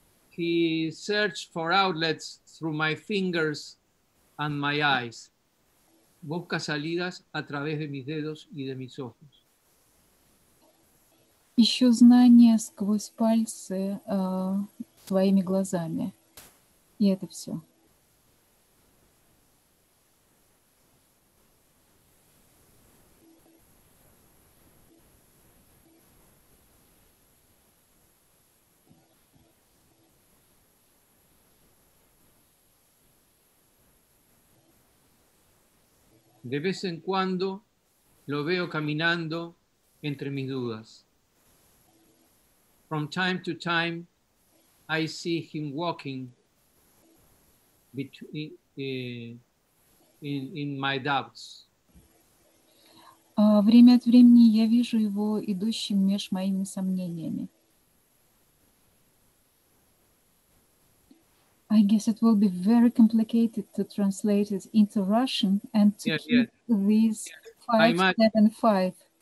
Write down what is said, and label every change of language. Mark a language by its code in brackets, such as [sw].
[en] He searched for outlets through my fingers and my eyes. [es] Busca salidas a través de mis dedos y de mis ojos. [ru] Ищу знания сквозь пальцы твоими глазами. И это все. [es] De vez en cuando lo veo caminando entre mis dudas. [en] From time to time, I see him walking in my doubts. [ru] Время от времени я вижу его идущим меж моими сомнениями. [en] I guess it will be very complicated to translate it into Russian and to keep these 5, 7, 5.